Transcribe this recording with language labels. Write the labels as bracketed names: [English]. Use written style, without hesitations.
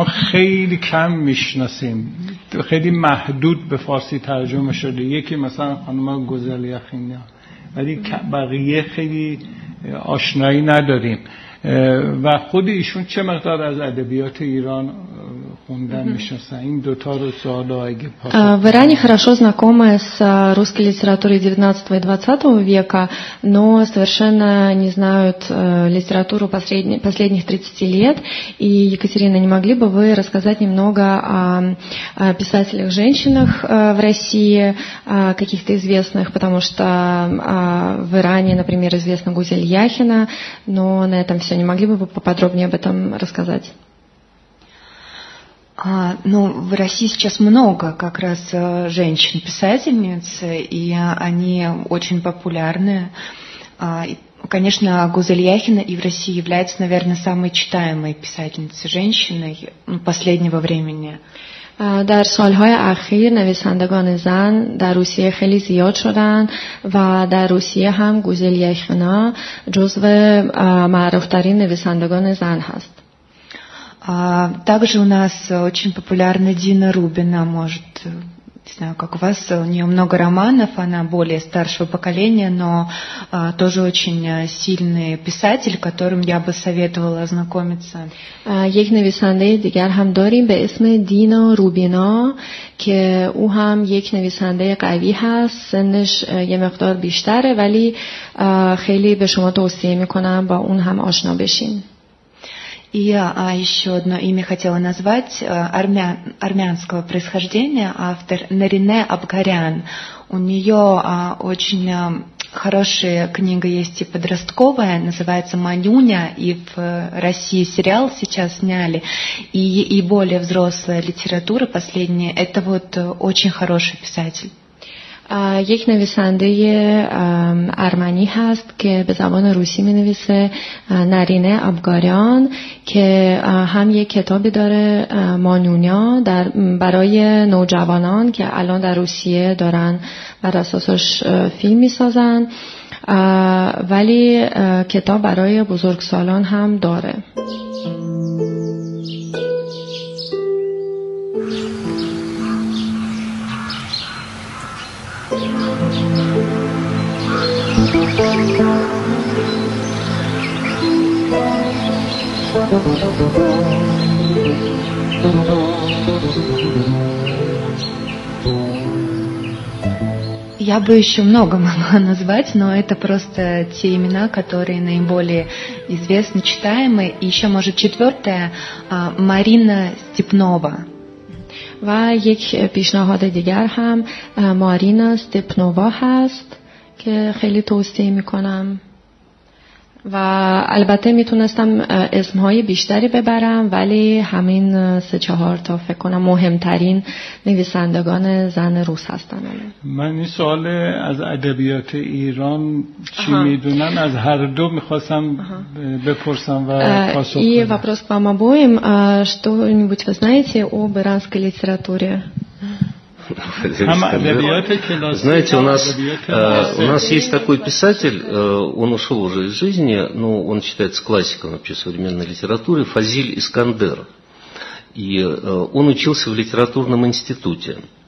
[Persian] ما خیلی کم می شناسیم، خیلی محدود به فارسی ترجمه شده، یکی مثلا خانم گوزل یخینیا، ولی بقیه خیلی آشنایی نداریم. و خود ایشون چه مقدار از ادبیات ایران خوندن میشناسن؟ این دوتا رو سوال ها اگه پاسد. [Russian] Верани хорошо знакомы с русской литературой 19 и 20 века, но совершенно не знают литературу последних 30 лет. И, Екатерина, не могли бы вы рассказать немного о писателях-женщинах в России, каких-то известных, потому что в Иране, например, известна Гузель Яхина, но на этом все. Не могли бы вы поподробнее об этом рассказать? Ну, в России сейчас много как раз женщин-писательниц, и они очень популярны. Конечно, Гузель Яхина и в России является, наверное, самой читаемой писательницей-женщиной последнего времени. [Persian] در سالهای اخیر نویسندگان زن در روسیه خیلی زیاد شدند و در روسیه هم گوزل یخنا جزو معروفترین نویسندگان زن هست. [Russian] Также у нас очень популярна Дина Рубина, может не знаю, как у вас, у нее много романов, она более старшего поколения, но тоже очень сильный писатель, которым я бы советовала ознакомиться. [Persian] یک نویسنده دیگر هم داریم به اسم دینا روبینا که او هم یک نویسنده قوی هست، سنش یه مقدار بیشتره، ولی خیلی به شما توصیه میکنم با اون هم آشنا بشین. [Russian] И еще одно имя хотела назвать, армянского происхождения, автор Нарине Абгарян. У нее очень хорошая книга есть и подростковая, называется «Манюня», и в России сериал сейчас сняли, и более взрослая литература последняя. Это вот очень хороший писатель. [Persian] یک نویسنده ارمنی هست که به زبان روسی می نویسه، نرینه ابگاریان، که هم یک کتابی داره مانونیا در برای نوجوانان که الان در روسیه دارن بر اساسش فیلم می سازن، ولی کتاب برای بزرگسالان هم داره. [Russian] Я бы еще много могла назвать, но это просто те имена, которые наиболее известны, читаемы. И еще, может, четвертое, Марина Степнова. [Persian] و یک پیشنهاد دیگر هم مارینا استپنوا هست که خیلی توصیه میکنم و البته میتونستم اسمهای بیشتری ببرم ولی همین سه چهار تا فکر کنم مهمترین نویسندگان زن روس هستن. من این سوال از ادبیات ایران چی میدونم از هر دو میخواستم بپرسم و پاسخ بدم. و پرس پاما بویم شتو نیبوچ وزنایتی او برانسک لیتراتوری [Russian] Знаете, у нас есть такой писатель, он ушел уже из жизни, но он считается классиком вообще современной литературы, Фазиль Искандер. И он учился в литературном институте.